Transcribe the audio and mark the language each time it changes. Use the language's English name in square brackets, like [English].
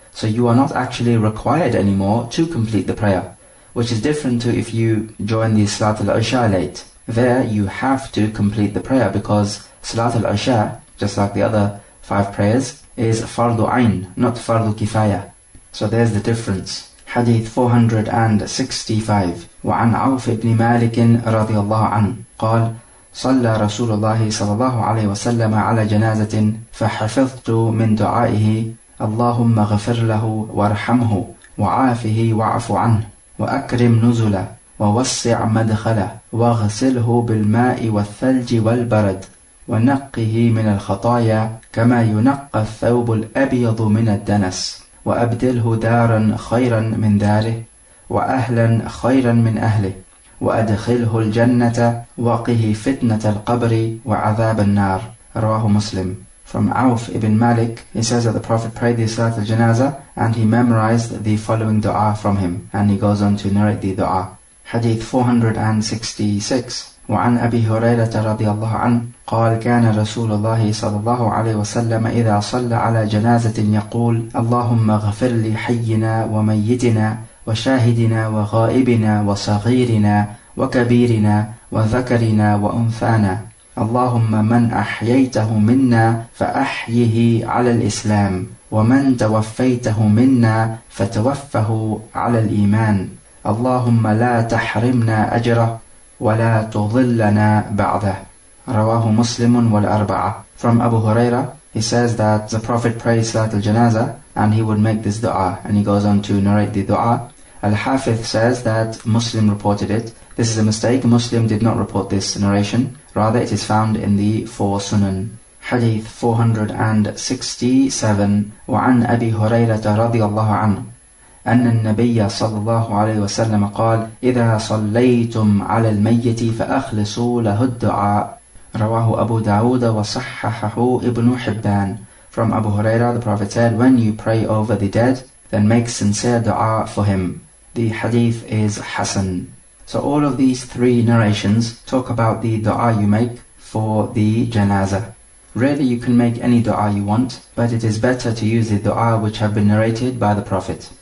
[English] So you are not actually required anymore to complete the prayer, which is different to if you join the salat al-isha late. There you have to complete the prayer, because salat al-isha, just like the other five prayers, is fardu ayn, not fardu kifaya. So there's the difference. Hadith 465. [Arabic] وعن عوف بن مالك رضي الله عنه قال صلى رسول الله صلى الله عليه وسلم على جنازة فحفظت من دعائه اللهم اغفر له وارحمه وعافه واعف عنه وأكرم نزله ووسع مدخله واغسله بالماء والثلج والبرد ونقه من الخطايا كما ينقى الثوب الأبيض من الدنس وأبدله دارا خيرا من داره وأهلا خيرا من أهله وأدخله الجنة وقه فتنة القبر وعذاب النار رواه مسلم. [English] From Auf ibn Malik, he says that the Prophet prayed the Salat al-Janazah and he memorized the following dua from him. And he goes on to narrate the dua. Hadith 466. [Arabic] وعن أبي هريرة رضي الله عنه قال كان رسول الله صلى الله عليه وسلم إذا صلى على جنازة يقول اللهم اغفر لي حينا وميتنا وشاهدنا وغائبنا وصغيرنا وكبيرنا وذكرنا وأنثانا اللهم من أحييته منا فأحيه على الإسلام ومن توفيته منا فتوفه على الإيمان اللهم لا تحرمنا أجره ولا تضلنا بعده رواه مسلم والأربعة. [English] From Abu Huraira, he says that the Prophet prays Salat al-Janazah and he would make this dua, and he goes on to narrate the dua. Al-Hafidh says that Muslim reported it. This is a mistake. Muslim did not report this narration. Rather, it is found in the four Sunan. Hadith 467. [Arabic] وعن أبي هريرة رضي الله عنه أن النبي صلى الله عليه وسلم قال إذا صليتم على الميت فأخلصوا له الدعاء رواه أبو داود وصححه ابن حبان. [English] From Abu Huraira, the Prophet said, when you pray over the dead, then make sincere dua for him. The hadith is Hasan. So all of these three narrations talk about the dua you make for the janazah. Really, you can make any dua you want, but it is better to use the dua which have been narrated by the Prophet.